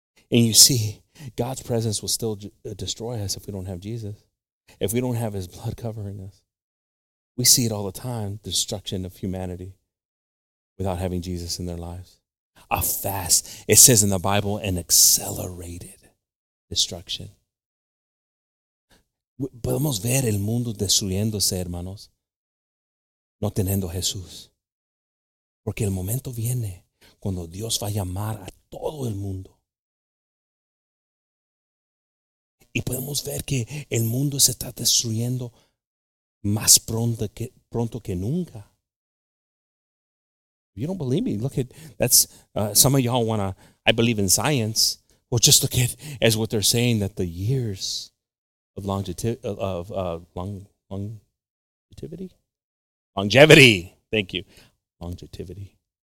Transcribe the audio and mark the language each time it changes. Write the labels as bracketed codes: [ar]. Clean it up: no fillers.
[en] And you see, God's presence will still destroy us if we don't have Jesus. If we don't have his blood covering us. We see it all the time, the destruction of humanity without having Jesus in their lives. A fast, it says in the Bible, an accelerated destruction. [es] Podemos ver el mundo destruyéndose, hermanos, no teniendo Jesús. Porque el momento viene. Cuando Dios va a llamar a todo el mundo. Y podemos ver que el mundo se está destruyendo más pronto que nunca. [en] If you don't believe me, look at, that's, some of y'all want to, I believe in science. Well, just look at, as what they're saying, that the years of longevity.